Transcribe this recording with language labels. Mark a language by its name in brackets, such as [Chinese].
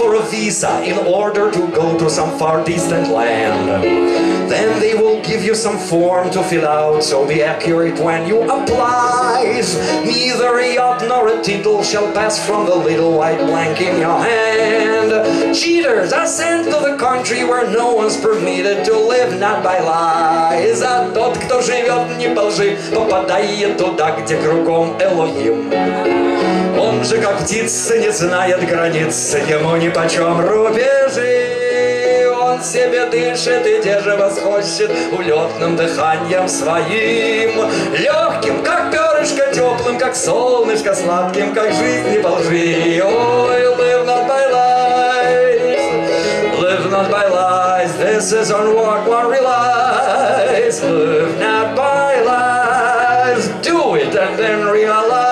[English] Visa in order to go to some far distant land, then they will give you some form to fill out, so be accurate when you apply. Neither a yacht nor a tittle shall pass from the little white blank in your hand. Cheaters are sent to the country where no one's permitted to live not by lies. [Russian] А тот, кто живет не по лжи, попадает туда, где кругом Элохим. Он же как птица не знает границ, ему ни почем рубежи. Он себе дышит и те же восхочет улетным дыханием своим. Легким, как перышко, теплым, как солнышко, сладким, как жизнь, не по лжи. [English] Ой, live not by lies, live not by lies. This is on what one relies, live not by lies. Do it and then realize.